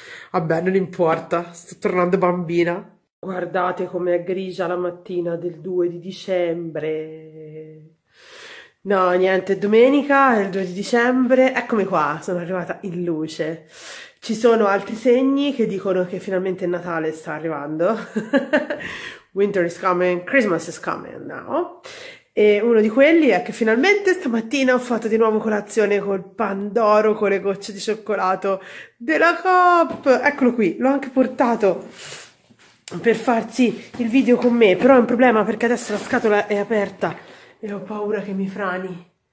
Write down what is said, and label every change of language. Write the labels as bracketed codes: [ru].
[it] Vabbè, non importa, sto tornando bambina. Guardate com'è grigia la mattina del 2 di dicembre. No, niente, è domenica, è il 2 di dicembre. Eccomi qua, sono arrivata in luce. Ci sono altri segni che dicono che finalmente Natale sta arrivando. [en] Winter is coming, Christmas is coming now. [it] E uno di quelli è che finalmente stamattina ho fatto di nuovo colazione col pandoro con le gocce di cioccolato della Coop. Eccolo qui, l'ho anche portato per farsi il video con me, però è un problema perché adesso la scatola è aperta e ho paura che mi frani.